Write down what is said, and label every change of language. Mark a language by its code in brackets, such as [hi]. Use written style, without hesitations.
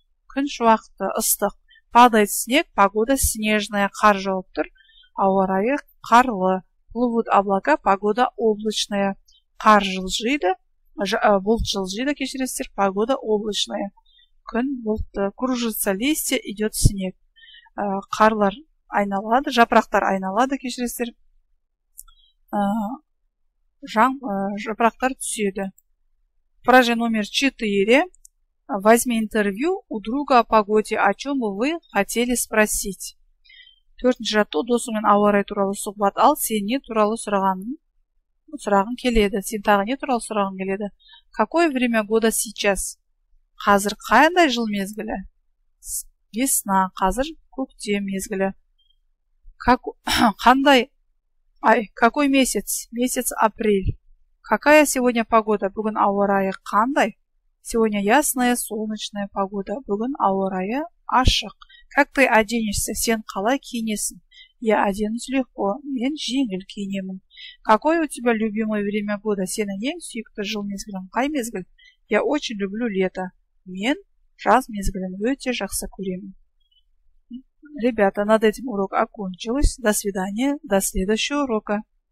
[kk] күн шуақты, ыстық, [ru] падает снег, погода снежная, [kk] қар жауып тұр, ауа райы қарлы, [ru] плывут облака, погода облачная, [kk] қар жылжиды, бұлт жылжиды, кешіресіздер, [ru] погода облачная, [kk] күн бұлтты, [ru] кружится листья, идет снег, [kk] қарлар айналады, жапырақтар айналады, кешіресіздер, жапырақтар түседі. [ru] Фраза номер 4. Возьми интервью у друга о погоде, о чем бы вы хотели спросить. [kk] Төртінші жатты, досыңмен ауа райы туралы сұхбат ал, сен не туралы сұрағың келеді, сен тағы не туралы сұрағың келеді. [ru] Какое время года сейчас? [kk] Қазір қандай жыл мезгілі? Весна, қазір көктем мезгілі. [ru] Какой месяц? Месяц апрель. Какая сегодня погода? [kk] Бүгін ауа райы қандай? [ru] Сегодня ясная солнечная погода. [kk] Бүгін ауа райы ашық. [ru] Как ты оденешься? [kk] Сен қалай киінесің? [ru] Я оденусь легко. [kk] Мен жеңіл киінемін. [ru] Какое у тебя любимое время года? [kk] Сенің ең сүйікті жыл мезгілің қай мезгіл? [ru] Я очень люблю лето. [kk] Мен жаз мезгілін өте жақсы көремін. [ru] Ребята, над этим урок окончилось. До свидания. До следующего урока.